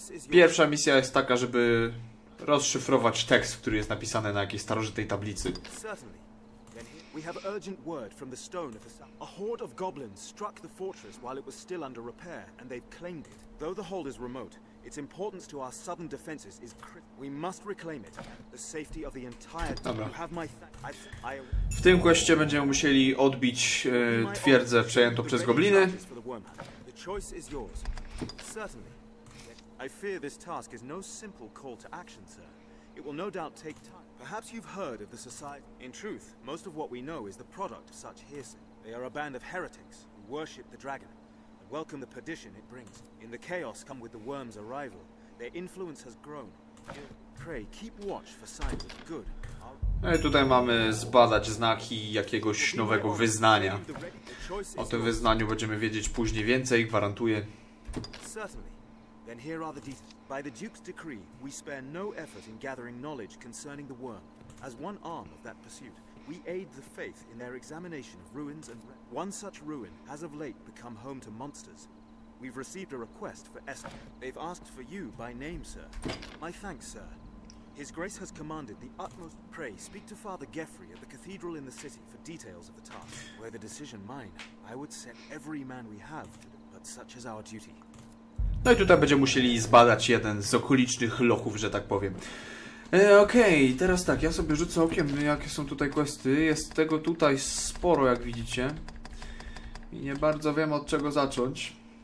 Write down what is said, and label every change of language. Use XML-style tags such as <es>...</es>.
<pl>Pierwsza misja jest taka, żeby rozszyfrować tekst, który jest napisany na jakiejś starożytnej tablicy.</pl> <en>Certainly. Then we have urgent word from the stone of the sun. A horde of goblins struck the fortress while it was still under repair, and they've claimed it. Though the hold is remote, its importance to our southern defenses is critical. We must reclaim it. The safety of the entire team. You have my thanks.</en> <pl>W tym queście będziemy musieli odbić twierdzę przejętą przez gobliny.</pl> <en>The choice is yours. Certainly. I fear this task is no simple call to action, sir. It will no doubt take time. Perhaps you've heard of the society. In truth, most of what we know is the product of such hearsay. They are a band of heretics who worship the dragon. Welcome the perdition it brings. In the chaos come with the worm's arrival. Their influence has grown. Pray, keep watch for signs of good.</en> <pl>No i tutaj mamy zbadać znaki jakiegoś nowego wyznania. O tym wyznaniu będziemy wiedzieć później więcej, gwarantuję.</pl> <en>Certainly. Then here are the details. By the Duke's decree, we spare no effort in gathering knowledge concerning the worm. As one arm of that pursuit, we aid the faith in their examination of ruins and one such ruin has of late become home to monsters. We've received a request for Esther. They've asked for you by name, sir. My thanks, sir. His grace has commanded the utmost. Pray, speak to Father Geoffrey at the cathedral in the city for details of the task. Were the decision mine, I would set every man we have to do, but such is our duty.</en> <pl>No i tutaj będziemy musieli zbadać jeden z okolicznych lochów, że tak powiem. Okej, okay, teraz tak, ja sobie rzucę okiem, jakie są tutaj questy. Jest tego tutaj sporo, jak widzicie. I nie bardzo wiem, od czego zacząć.</pl>